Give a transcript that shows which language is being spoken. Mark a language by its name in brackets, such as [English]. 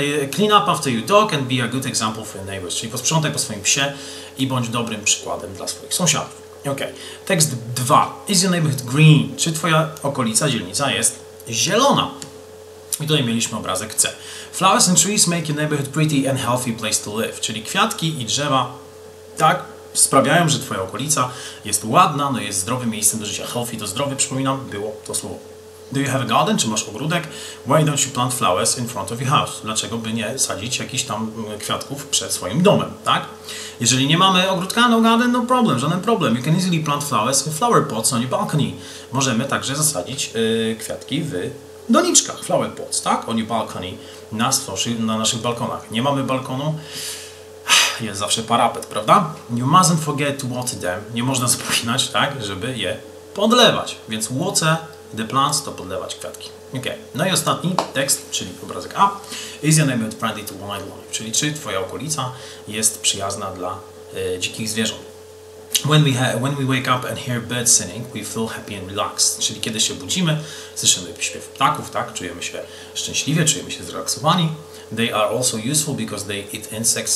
[English] Clean up after your dog and be a good example for your neighbors. [Polish] Czyli posprzątaj po swoim psie i bądź dobrym przykładem dla swoich sąsiadów. Ok. Tekst 2. [English] Is your neighborhood green? [Polish] Czy twoja okolica, dzielnica jest zielona? I tutaj mieliśmy obrazek C. [English] Flowers and trees make your neighborhood pretty and healthy place to live. [Polish] Czyli kwiatki i drzewa, tak, sprawiają, że twoja okolica jest ładna, no jest zdrowym miejscem do życia. Healthy to zdrowie, przypominam, było to słowo. [English] Do you have a garden? [Polish] Czy masz ogródek? [English] Why don't you plant flowers in front of your house? [Polish] Dlaczego by nie sadzić jakichś tam kwiatków przed swoim domem, tak? Jeżeli nie mamy ogródka, [English] no garden, no problem, [Polish] żaden problem. [English] You can easily plant flowers in flower pots on your balcony. [Polish] Możemy także zasadzić kwiatki w doniczkach. Flower pots, tak? [English] On your balcony, [Polish] na naszych balkonach. Nie mamy balkonu. Jest zawsze parapet, prawda? [English] You mustn't forget to water them. [Polish] Nie można zapominać, tak, żeby je podlewać. Więc [English] water the plants [Polish] to podlewać kwiatki. Ok. No i ostatni tekst, czyli obrazek A. [English] Is your neighborhood friendly to wildlife? [Polish] Czyli czy twoja okolica jest przyjazna dla dzikich zwierząt? [English] When we wake up and hear birds singing, we feel happy and relaxed. [Polish] Czyli kiedy się budzimy, słyszymy śpiew ptaków, tak? Czujemy się szczęśliwie, czujemy się zrelaksowani. [English] They are also useful because they eat insects.